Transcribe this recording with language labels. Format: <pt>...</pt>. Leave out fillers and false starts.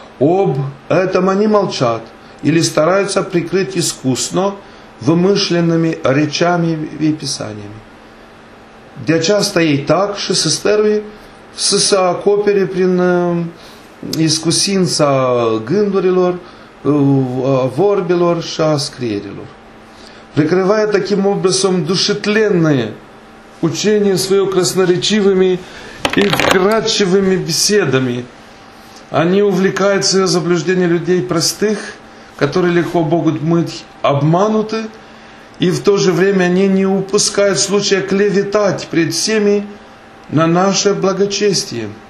<ru>Об этом они молчат или стараются прикрыть искусно вымышленными речами и писаниями.</ru> <ro>De aceasta ei tac și se stăruie să se acopere prin iscusința gândurilor, vorbilor și a scrierilor.</ro> <ru>Прикрывая таким образом душетленные учения свое красноречивыми и вкрадчивыми беседами, они увлекают свое заблуждение людей простых, которые легко могут быть обмануты, и в то же время они не упускают случая клеветать пред всеми на наше благочестие.</ru>